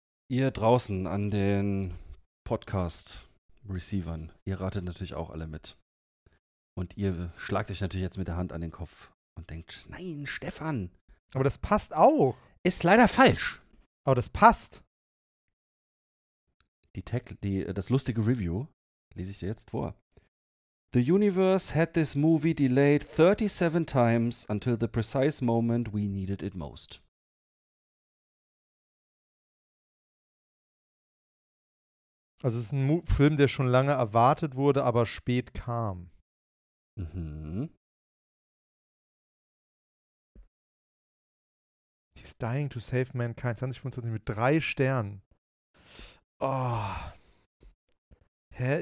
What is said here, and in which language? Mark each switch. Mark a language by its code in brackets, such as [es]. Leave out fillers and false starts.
[de] Ihr draußen an den Podcast-Receivern, ihr ratet natürlich auch alle mit. Und ihr schlagt euch natürlich jetzt mit der Hand an den Kopf und denkt, nein, Stefan. Aber das passt auch. Ist leider falsch. Aber das passt. Das lustige Review lese ich dir jetzt vor. [en] The universe had this movie delayed 37 times until the precise moment we needed it most. [de] Also es ist ein Film, der schon lange erwartet wurde, aber spät kam. Mhm. He's dying to save mankind. 2025 mit 3 Sternen. Oh. Hä?